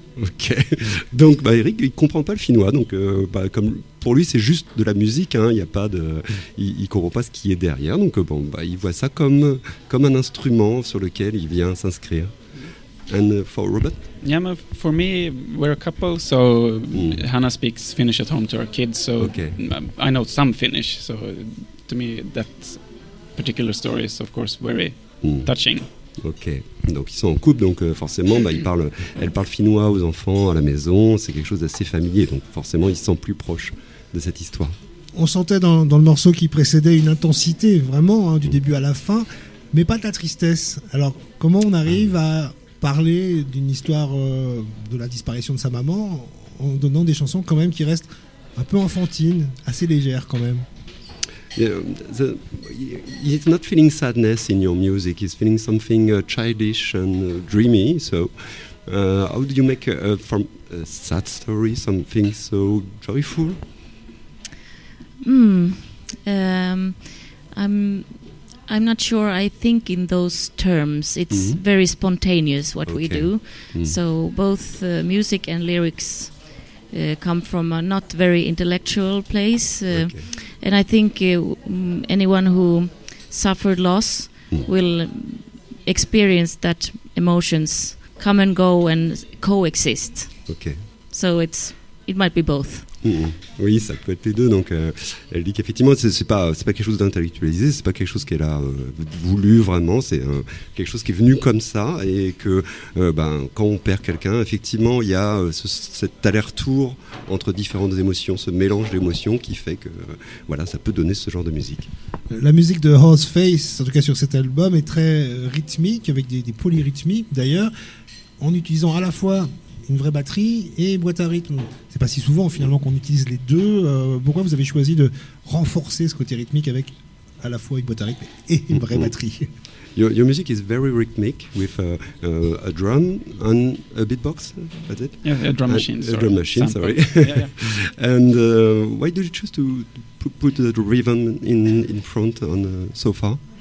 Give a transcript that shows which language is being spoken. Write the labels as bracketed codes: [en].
[fr] Okay, donc Eric, il comprend pas le finnois, donc comme pour lui c'est juste de la musique, hein, il comprend pas ce qui est derrière, donc il voit ça comme un instrument sur lequel il vient s'inscrire. [en] And for Robert? Yeah, for me, we're a couple, so Hanna speaks Finnish at home to our kids, so I know some Finnish, so to me that particular story is of course very touching. [fr] Ok, donc ils sont en couple, donc forcément elle parle finnois aux enfants, à la maison, c'est quelque chose d'assez familier, donc forcément ils se sentent plus proches de cette histoire. On sentait dans le morceau qui précédait une intensité, vraiment, hein, du début à la fin, mais pas de la tristesse. Alors comment on arrive à parler d'une histoire de la disparition de sa maman en donnant des chansons quand même qui restent un peu enfantines, assez légères quand même. [en] He's not feeling sadness in your music, he's feeling something childish and dreamy. So how do you make from a sad story something so joyful? I'm not sure I think in those terms. It's very spontaneous what we do. So both music and lyrics come from a not very intellectual place. And I think anyone who suffered loss will experience that emotions come and go and coexist. Okay. So it might be both. [fr] Oui, ça peut être les deux. Donc, elle dit qu'effectivement, c'est pas quelque chose d'intellectualisé, c'est pas quelque chose qu'elle a voulu vraiment. C'est quelque chose qui est venu comme ça, et que quand on perd quelqu'un, effectivement, il y a cet aller-retour entre différentes émotions, ce mélange d'émotions qui fait que ça peut donner ce genre de musique. La musique de Horseface, en tout cas sur cet album, est très rythmique, avec des polyrythmiques d'ailleurs, en utilisant à la fois une vraie batterie et boîte à rythme. C'est pas si souvent finalement qu'on utilise les deux. Pourquoi vous avez choisi de renforcer ce côté rythmique avec à la fois une boîte à rythme et une vraie batterie? [en] Your music is very rhythmic with a drum and a beatbox, that's it? Yeah, a drum machine. A drum machine, sorry. And why did you choose to put the rhythm in front on the sofa?